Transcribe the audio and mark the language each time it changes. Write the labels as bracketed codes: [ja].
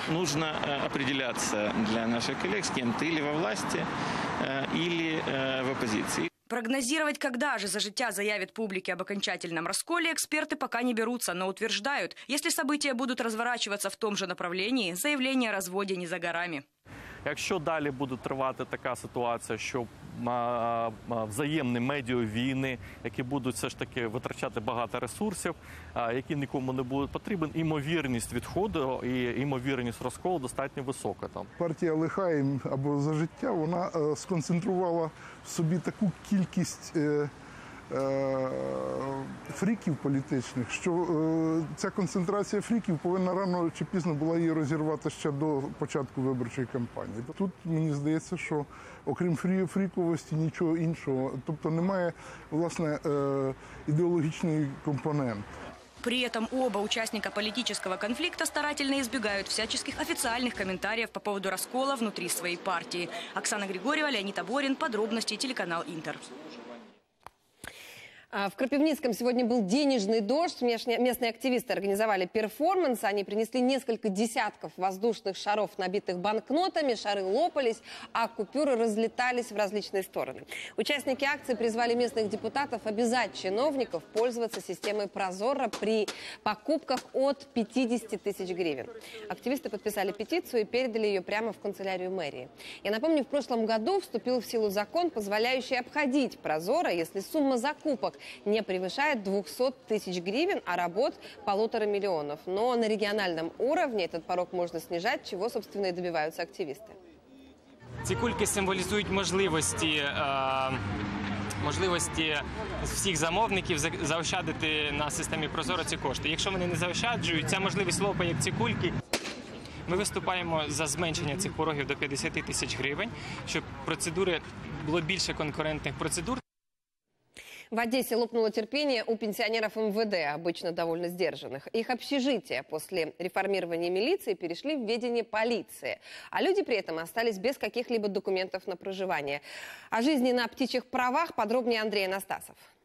[ru] Нужно определяться для наших коллег, с кем ты или во власти, или в оппозиции. Прогнозировать, когда же «За життя» заявит публике об окончательном расколе, эксперты пока не берутся, но утверждают, если события будут разворачиваться в том же направлении, заявление о разводе не за горами. [uk] Якщо далі буде тривати така ситуація, що взаємні медіа-війни, які будуть все ж таки витрачати багато ресурсів, які нікому не будуть потрібен, імовірність відходу і імовірність розколу достатньо висока. Там партія «Лихаєм» або «За життя» вона сконцентрувала в собі таку кількість фріків політичних, що ця концентрація фріків повинна рано чи пізно була її розірвати ще до початку виборчої кампанії. Тут мені здається, що окрім фріковості нічого іншого, тобто немає власне ідеологічної компоненти. [ru] При этом оба участника политического конфликта старательно избегают всяческих официальных комментариев по поводу раскола внутри своей партии. Оксана Григорьева, Леонид Аборин. Подробности, телеканал Интер. В Кропивницком сегодня был денежный дождь. Местные активисты организовали перформанс. Они принесли несколько десятков воздушных шаров, набитых банкнотами. Шары лопались, а купюры разлетались в различные стороны. Участники акции призвали местных депутатов обязать чиновников пользоваться системой Прозора при покупках от 50 тысяч гривен. Активисты подписали петицию и передали ее прямо в канцелярию мэрии. Я напомню, в прошлом году вступил в силу закон, позволяющий обходить Прозора, если сумма закупок не превышает 200 тысяч гривен, а работ – 1,5 миллиона. Но на региональном уровне этот порог можно снижать, чего, собственно, и добиваются активисты. Эти кульки символизуют возможности, [uk] можливості всіх замовників заощадити на системі Прозоро ці кошти. Якщо вони не заощаджують, ця можливість лопає, як ці кульки. Ми виступаємо за зменшення цих порогів до 50 тисяч гривень, щоб процедури було більше конкурентних процедур. [ru] В Одессе лопнуло терпение у пенсионеров МВД, обычно довольно сдержанных. Их общежития после реформирования милиции перешли в ведение полиции. А люди при этом остались без каких-либо документов на проживание. О жизни на птичьих правах подробнее Андрей Анастасов.